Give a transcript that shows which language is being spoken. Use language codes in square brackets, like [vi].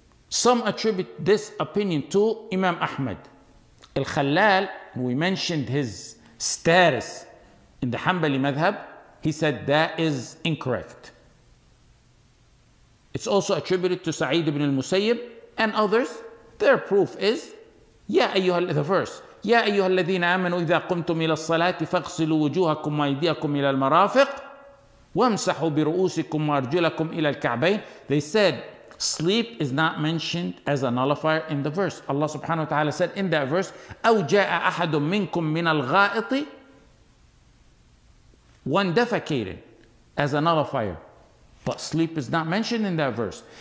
[en] Some attribute this opinion to Imam Ahmad. Al-Khalal, we mentioned his status in the Hanbali madhab, he said that is incorrect. It's also attributed to Sa'id ibn al-Musayyib and others. Their proof is, the verse, [ar] يَا أَيُّهَا الَّذِينَ آمَنُوا إِذَا قُمْتُمْ إِلَى الصَّلَاةِ فَاغْسِلُوا وُجُوهَكُمْ وَأَيْدِيَكُمْ إِلَى الْمَرَافِقِ وَامْسَحُوا بِرُؤُوسِكُمْ وَأَرْجُلَكُمْ إِلَى الْكَعْبَيْنِ. [en] They said, sleep is not mentioned as a nullifier in the verse. Allah subhanahu wa ta'ala said in that verse, [ar] أَوْ جَاءَ أَحَدٌ مِّنْكُمْ مِّنَ الْغَائِطِ. [en] One defecated as a nullifier. But sleep is not mentioned in that verse.